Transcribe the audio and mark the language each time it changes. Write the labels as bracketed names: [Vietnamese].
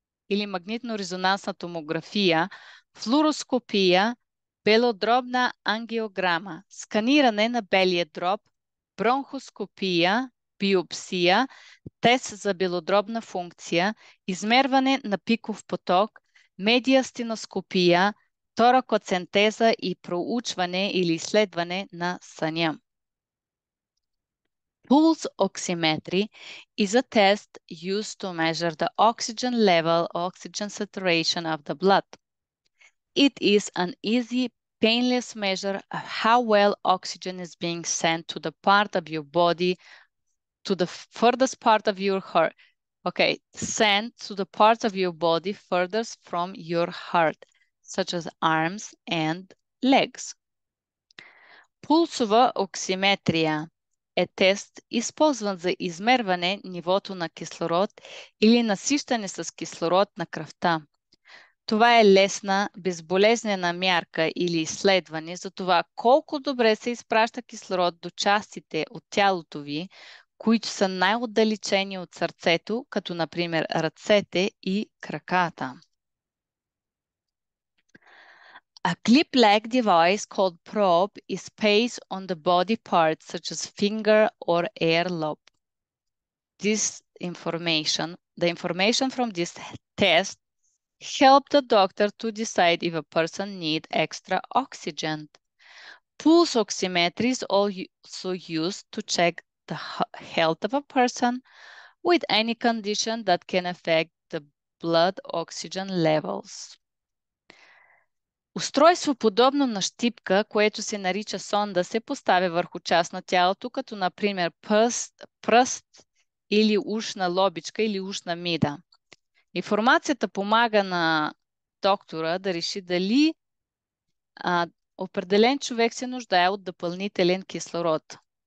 [Bulgarian] или магнитно-резонансна томография, флуороскопия, белодробна ангиограма, сканиране на белия дроб, бронхоскопия, биопсия, тест за белодробна функция, измерване на пиков поток, медиастеноскопия, торакоцентеза и проучване или изследване на съня. [English] Pulse oximetry is a test used to measure the oxygen level, oxygen saturation of the blood. It is an easy, painless measure of how well oxygen is being sent to the part of your body, to the furthest part of your heart. Okay, sent to the part of your body furthest from your heart, such as arms and legs. [Bulgarian] Pulsova oximetria е тест, използван за измерване нивото на кислород или насищане с кислород на кръвта. Това е лесна, безболезнена мярка или изследване за това колко добре се изпраща кислород до частите от тялото ви, които са най-отдалечени от сърцето, като например ръцете и краката. [English] A clip-like device called probe is placed on the body part, such as finger or earlobe. This information, the information from this test Help the doctor to decide if a person needs extra oxygen. Pulse oximetry is also used to check the health of a person with any condition that can affect the blood oxygen levels. [Bulgarian] Устройство, подобно на щипка, което се нарича сонда, се поставя върху част на тялото, като например пръст или ушна лобичка или ушна мида. Информацията помага на доктора да реши дали определен човек се нуждае от допълнителен кислород.